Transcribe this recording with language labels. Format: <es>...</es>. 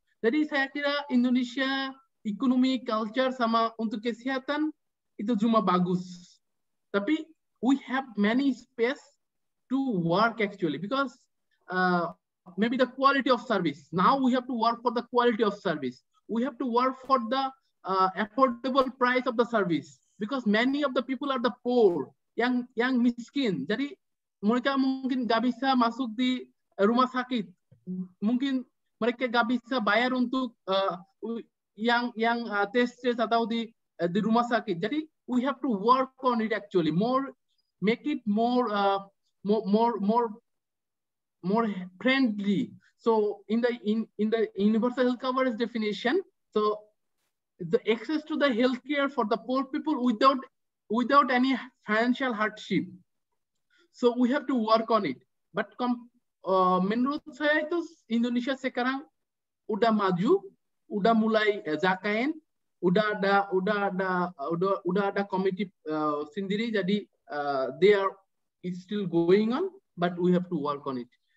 <id>Jadi saya kira Indonesia ekonomi, culture sama untuk kesehatan itu cuma bagus.</id> <en>Tapi we have many space to work actually because maybe the quality of service. Now we have to work for the quality of service. We have to work for the affordable price of the service because many of the people are the poor,</en> <id>yang miskin. Jadi mereka mungkin gak bisa masuk di rumah sakit. Mungkin mereka gak bisa bayar untuk yang tes atau di rumah sakit.</id> <en>Jadi we have to work on it actually more, make it more more friendly. So in the universal health coverage definition, so the access to the healthcare for the poor people without any financial hardship. So we have to work on it.</en> <id>But menurut saya itu Indonesia sekarang udah maju, udah mulai JKN, udah ada committee sendiri.</id> <en>Jadi they are is still going on, but we have to work on it.</en>